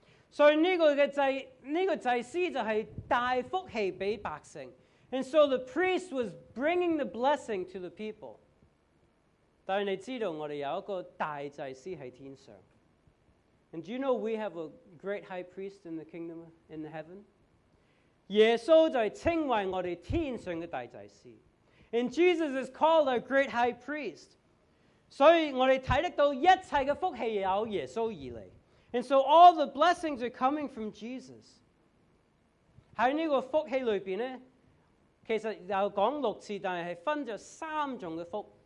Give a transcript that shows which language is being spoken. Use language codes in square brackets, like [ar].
[yue] So 这个祭司就是带福气给百姓。 [en] And so the priest was bringing the blessing to the people. [yue] 但是你知道我们有一个大祭司在天上。 [en] And do you know we have a great high priest in the kingdom, in the heaven? [yue] 耶稣就是称为我们天上的大祭司。 [en] And Jesus is called our great high priest. So we can see that all the blessings of God are from Jesus. And so all the blessings are coming from Jesus. In this blessing, there are actually six times, but there are three different blessings.